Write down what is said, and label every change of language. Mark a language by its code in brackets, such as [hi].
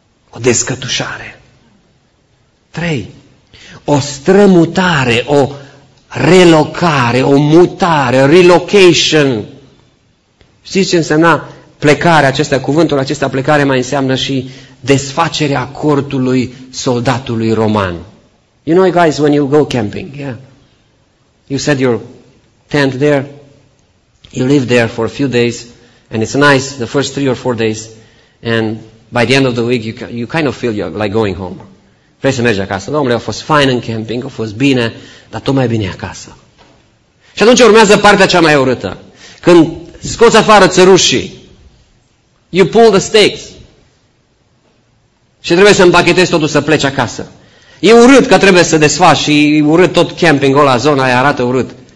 [ro] O descătușare. 3. O strămutare, o relocare, o mutare, relocation. Știți ce însemna plecarea acesta, cuvântul acesta plecare mai înseamnă și desfacerea cortului soldatului roman. [en] You know guys, when you go camping, yeah, you set your tent there, you live there for a few days, and it's nice the first 3 or 4 days, and by the end of the week, you kind of feel like going home. [ro] Vrei să mergi acasă. Domnule, a fost fine în camping, a fost bine, dar tot mai bine acasă. Și atunci urmează partea cea mai urâtă. Când scoți afară țărușii, [en] you pull the stakes. [ro] Și trebuie să împachetezi totul să pleci acasă. E urât că trebuie să desfaci și e urât tot campingul ăla, zona aia arată urât.